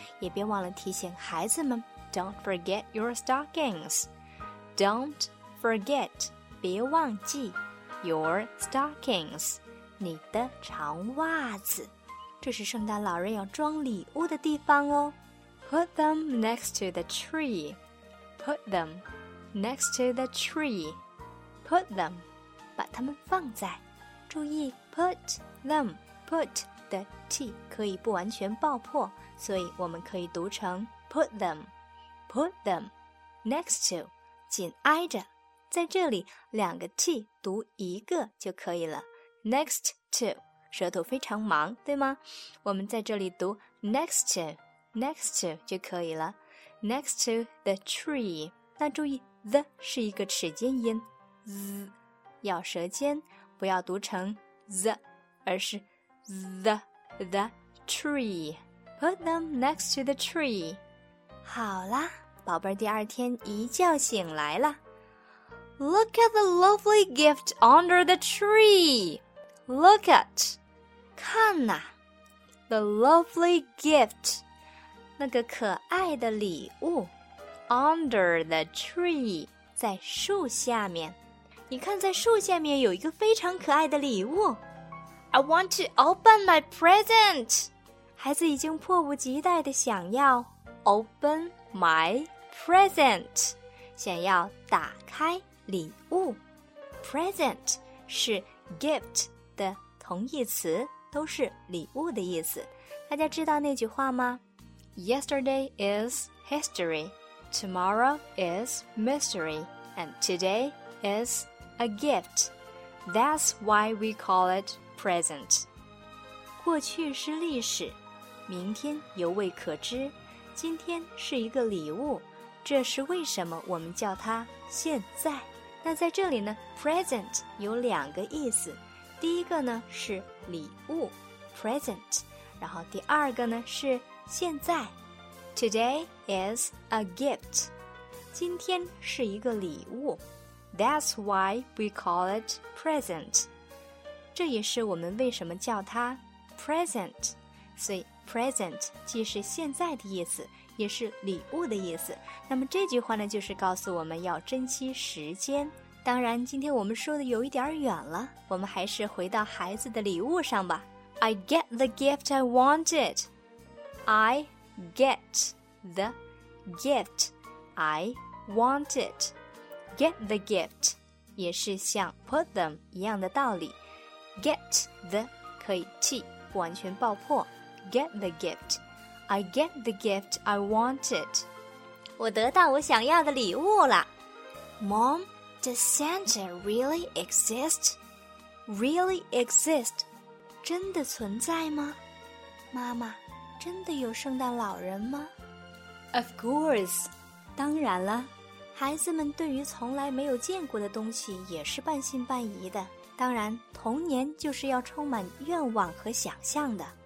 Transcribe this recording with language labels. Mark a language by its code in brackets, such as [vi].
[zh] 也别忘了提醒孩子们 [en] Don't forget your stockings. Don't forget [zh] 别忘记 [en] your stockings [zh] 你的长袜子。这是圣诞老人要装礼物的地方哦。 [en] Put them next to the tree. Put them next to the tree. Put them [zh] 把它们放在。注意 put them， put 的 t 可以不完全爆破，所以我们可以读成 put them， [en] put them next to， [zh] 紧挨着，在这里两个 t 读一个就可以了。 [en] next to， [zh] 舌头非常忙，对吗？我们在这里读 next to， next to 就可以了。 [en] next to the tree， [zh] 那注意 the 是一个齿间音 ，z 咬舌尖。不要读成 the， 而是 [en] the tree. Put them next to the tree. [zh] 好啦，宝贝儿第二天一觉醒来了。 [en] Look at the lovely gift under the tree. Look at， [zh] 看呐 [en] ，the lovely gift， [zh] 那个可爱的礼物 [en] ，under the tree， [zh] 在树下面。你看在树下面有一个非常可爱的礼物。 [en] I want to open my present. [zh] 孩子已经迫不及待地想要 [en] open my present. [zh] 想要打开礼物。 Present 是 gift 的同义词，都是礼物的意思。大家知道那句话吗？ [en] Yesterday is history, tomorrow is mystery, and today is a gift. That's why we call it present. [zh] 过去是历史，明天犹未可知，今天是一个礼物，这是为什么我们叫它现在。那在这里呢， present 有两个意思，第一个呢是礼物 present， 然后第二个呢是现在。 [en] Today is a gift， [zh] 今天是一个礼物。 [en] That's why we call it present， [zh] 这也是我们为什么叫它 present。所以present 既是现在的意思，也是礼物的意思。那么这句话呢，就是告诉我们要珍惜时间。当然今天我们说的有一点远了，我们还是回到孩子的礼物上吧。 [en] I get the gift I wanted. I get the gift I wanted. Get the gift [zh] 也是像 [en] put them [zh] 一样的道理。 Get the 可以 T 不完全爆破， [en] Get the gift. I get the gift I wanted. [zh] 我得到我想要的礼物了。 [en] Mom, does Santa really exist? Really exist? [zh] 真的存在吗？妈妈，真的有圣诞老人吗？ [en] Of course. [zh] 当然了，孩子们对于从来没有见过的东西也是半信半疑的。当然，童年就是要充满愿望和想象的。